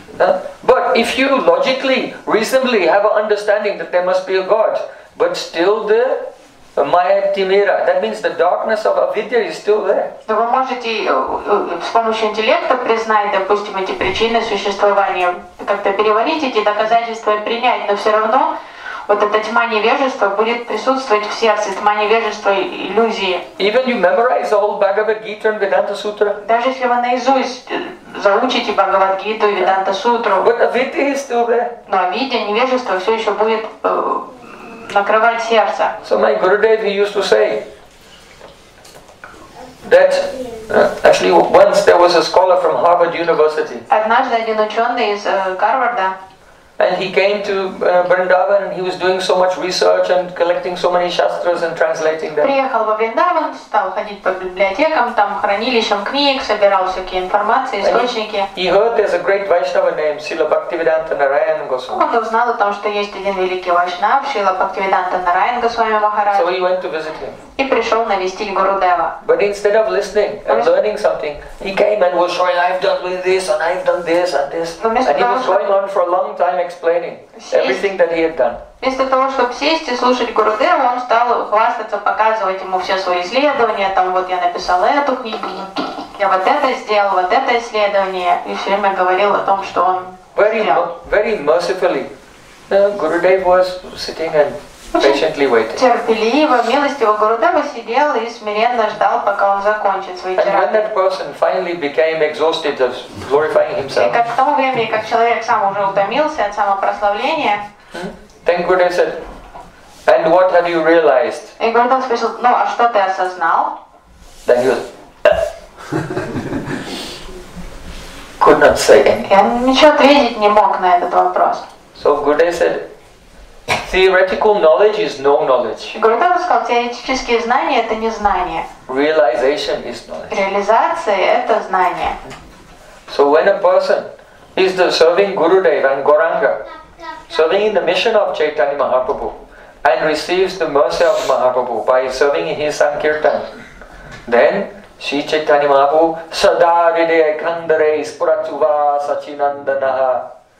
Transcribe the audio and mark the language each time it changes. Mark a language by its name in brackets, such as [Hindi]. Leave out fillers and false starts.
[English] But if you logically, reasonably have an understanding that there must be a God. But still the Maya Timira, that means the darkness of avidya is still there. [Russian] Но вы можете с помощью интеллекта признать, допустим, эти причины существования, как-то переварить эти доказательства и принять, но все равно вот эта тьма невежества будет присутствовать в сердце, тьма невежества и иллюзии. [English] Even you memorize the whole Bhagavad Gita and Vedanta Sutra. [Russian] Даже если вы наизусть заучите Бхагавад Гиту и Веданта Сутру. [English] But avidya is still there. [Russian] Но авидья, невежество все еще будет накрывать сердце. [English] So my Gurudev, he used to say that actually once there was a scholar from Harvard University. [Russian] Однажды один ученый из Гарварда. [English] And he came to Vrindavan. He was doing so much research and collecting so many shastras and translating them. [Russian] Приехал во Вриндаван, стал ходить по библиотекам, там хранилищам книг, собирал всякие информации, источники. [English] He heard there's a great Vaishnava named Srila Bhaktivedanta Narayana Goswami. [Russian] Он узнал о том, что есть один великий вайшнав, Шрила Бхактивиданта Нараяна Госвами Махарадж. [English] So he went to visit him. [Russian] И пришел навестить Гурудева. [English] But instead of listening and learning something, he came and was showing, I've done with this and I've done this and this. And he was going on for a long time. I'm explaining everything that he had done. [Russian] Вместо того, чтобы сесть и слушать Гурудева, он стал хвастаться, показывать ему все свои исследования. Там вот я написал эту книгу, я вот это сделал, вот это исследование. И все время говорил о том, что он [English] Very mercifully, Gurudev was sitting and patiently waiting. [Russian] Терпеливо, милостиво Гурудева сидел и смиренно ждал, пока он закончит свои дела. [English] And when that person finally became exhausted of glorifying himself. [Russian] И как к тому времени, как человек сам уже утомился от самопрославления. [English] Then Gurudev said, "And what have you realized?" [Russian] И Гурудев спросил, "Ну, а что ты осознал?" [English] Then he was, could not say anything. [Russian] Я ничего ответить не мог на этот вопрос. [English] So Gurudev said, Theoretical knowledge is no knowledge. [Russian] Гурудева сказал, теоретические знания это не знание. [English] Realization is knowledge. [Russian] Реализация это знание. [English] So when a person is the serving Gurudev and Gauranga, serving in the mission of Chaitanya Mahaprabhu, and receives the mercy of Mahaprabhu by serving in his Sankirtan, then Shri Chaitanya Mahaprabhu, Sadaride Khandare Spuratuva Sachinandanaha.